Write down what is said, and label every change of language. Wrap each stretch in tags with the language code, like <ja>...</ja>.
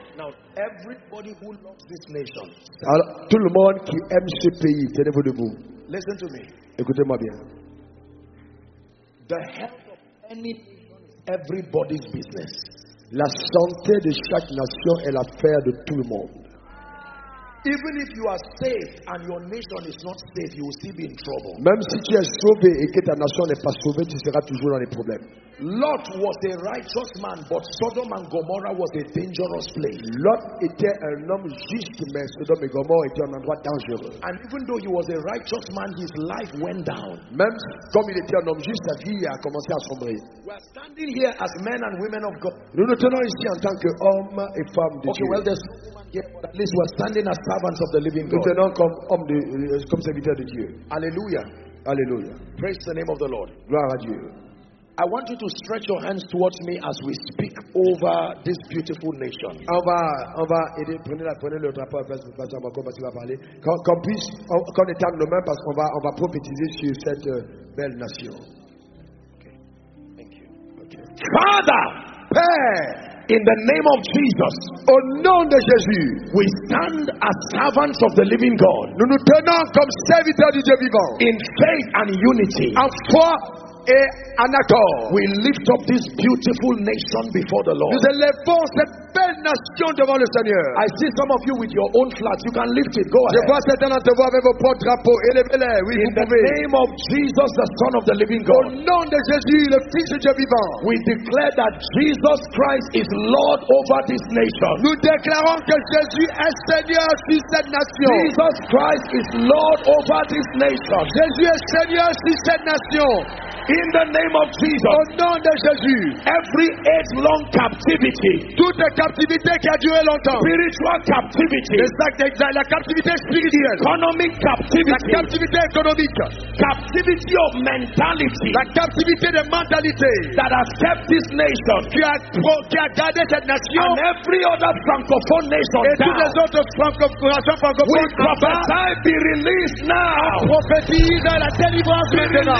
<en>Now, everybody who loves this nation.</en> <fr>Alors, tout le monde qui aime ce pays, tenez-vous debout.</fr> <en>Listen to me.</en> <fr>Écoutez-moi bien.</fr> <en>The health of any everybody's business.</en> <fr>La santé de chaque nation est l'affaire de tout le monde.</fr> <en>Even if you are safe and your nation is not safe, you will still be in trouble.</en> <fr>Même si tu es sauvé et que ta nation n'est pas sauvée, tu seras toujours dans les problèmes.</fr> <en>Lot was a righteous man, but Sodom and Gomorrah was a dangerous place.</en> <fr>Lot était un homme juste, mais Sodom et Gomorrah était un endroit dangereux.</fr> <en>And even though he was a righteous man, his life went down.</en> <fr>Même comme il était un homme juste, sa vie a commencé à sombrer.</fr> <en>We are standing here as men and women of God.</en> <fr>Nous nous tenons ici en tant que hommes et femmes de Dieu.</fr> <en>Okay, well, there's no woman here, but at least we are standing as servants of the living God.</en> <fr>Nous tenons comme hommes, comme serviteurs de Dieu. Alléluia. Alléluia.</fr> <en>Praise the name of the Lord.</en> <fr>Gloire à Dieu.</fr> <en>I want you to stretch your hands towards me as we speak over this beautiful nation.</en> <fr>On va aider, prenez le drapeau, parce qu'il va parler. Qu'on étende nos mains parce qu'on va prophétiser sur cette belle nation.</fr> <en>Okay. Thank you. Okay. Father!</en> <fr>Père!</fr> <en>In the name of Jesus,</en> <fr>au nom de Jésus,</fr> <en>we stand as servants of the living God.</en> <fr>Nous nous tenons comme serviteurs du Dieu vivant.</fr> <en>In faith and unity.</en> <fr>En foi et Anator.</fr> <en>We lift up this beautiful nation before the Lord.</en> <fr>Nous élevons cette belle nation devant le Seigneur.</fr> <en>I see some of you with your own flags. You can lift it. Go ahead.</en> <fr>Je vois certains d'entre vous avec vos propres drapeaux. Élevez-les. Oui,</fr> <en>in</en> <fr>vous</fr> <en>the</en> <fr>pouvez.</fr> <en>Name of Jesus, the Son of the Living God.</en> <fr>Au nom de Jésus, le Fils de Dieu vivant.</fr> <en>We declare that Jesus Christ is Lord over this nation.</en> <fr>Nous déclarons que Jésus est Seigneur sur cette nation.</fr> <en>Jesus Christ is Lord over this nation.</en> <fr>Jésus est Seigneur sur cette nation.</fr> <en>In the name of Jesus.</en> <fr>Au nom de Jésus.</fr> <en>Every age-long captivity.</en> <fr>Toute captivité qui a duré longtemps.</fr> <en>Spiritual captivity.</en> <fr>La captivité spirituelle.</fr> <en>Economic captivity.</en> <fr>La captivité économique.</fr> <en>Captivity of mentality.</en> <fr>La captivité de mentalité.</fr> <en>That has kept this nation.</en> <fr>Qui a gardé cette nation.</fr> <en>And every other francophone nation.</en> <fr>Et toutes les autres francophones.</fr> <en>We prophesy, be released now.</en> <fr>Prophétise la délivrance maintenant.</fr>